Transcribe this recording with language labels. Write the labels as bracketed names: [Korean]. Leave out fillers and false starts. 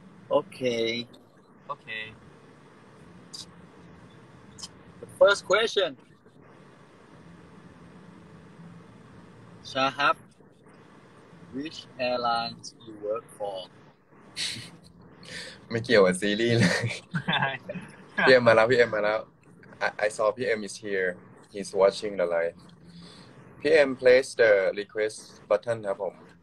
[English] Okay. Okay. The first question. Shahab, which airlines you work for? [Thai] ไม่เกี่ยวกับซีรีส์เลยพี่เอ็มมาแล้วพี่เอ็มมาแล้ว [English] I saw PM is here. He's watching the live. PM, place the request button ครับผม